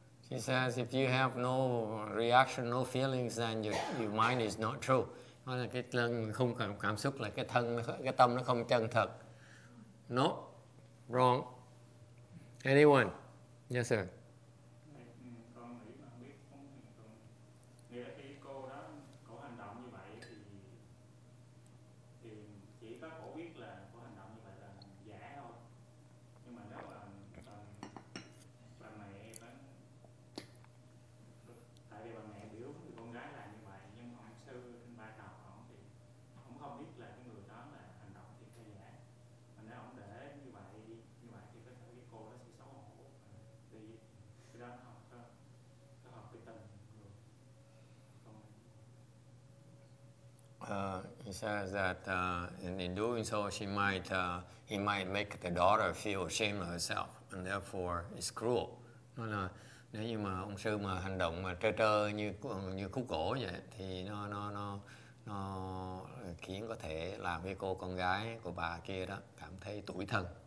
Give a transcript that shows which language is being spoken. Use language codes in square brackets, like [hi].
[en] He says, if you have no reaction, no feelings, then your mind is not true. [vi] Nó là cái thân không cần cảm xúc, là cái thân, cái tâm nó không chân thật. [en] No, wrong. Anyone? Yes, sir. Says that in doing so, he might make the daughter feel ashamed of herself, and therefore it's cruel. [vi] Nó là nếu như mà ông sư mà hành động mà trơ trơ như khúc gỗ vậy, thì nó khiến có thể làm cái cô con gái của bà kia đó cảm thấy tủi thân.